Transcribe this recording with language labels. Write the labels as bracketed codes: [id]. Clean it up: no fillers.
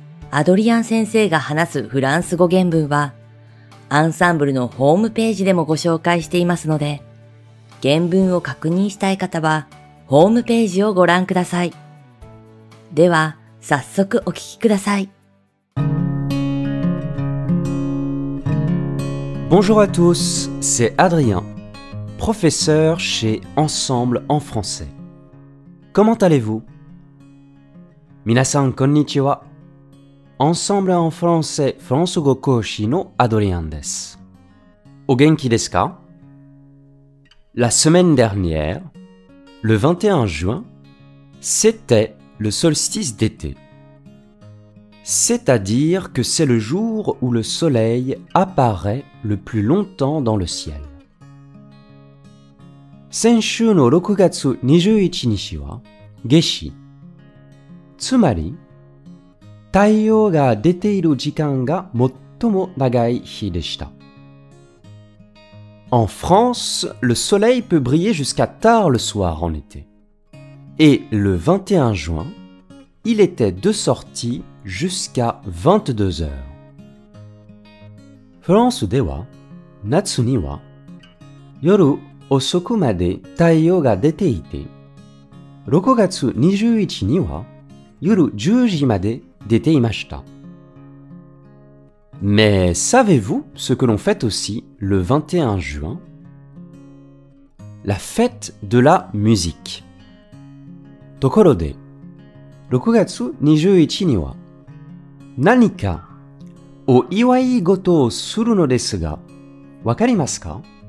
[ja] アドリアン先生が話すフランス語原文はアンサンブルのホームページでもご紹介していますので、原文を確認したい方はホームページをご覧ください。では、早速お聞きください。 [fr] Bonjour à tous, c'est Adrien, professeur chez Ensemble en français. Comment allez-vous? [ja] 皆さん、こんにちは。 Ensemble en français, フランス語講師のアドリアンです。お元気ですか? [fr] La semaine dernière,Le 21 juin, c'était le solstice d'été. C'est-à-dire que c'est le jour où le soleil apparaît le plus longtemps dans le ciel. [ja] 先週の6月21日は、夏至。つまり、太陽が出ている時間が最も長い日でした。 [fr] En France, le soleil peut briller jusqu'à tard le soir en été. Et le 21 juin, il était de sortie jusqu'à 22 heures. [ja] France では、夏には、夜遅くまで太陽が出ていて、6月21日には、夜10時まで出ていました。 [fr] Mais savez-vous ce que l'on fête aussi le 21 juin? La fête de la musique. [ja] ところで、6月21日には、何かお祝い事をするのですが、わかりますか?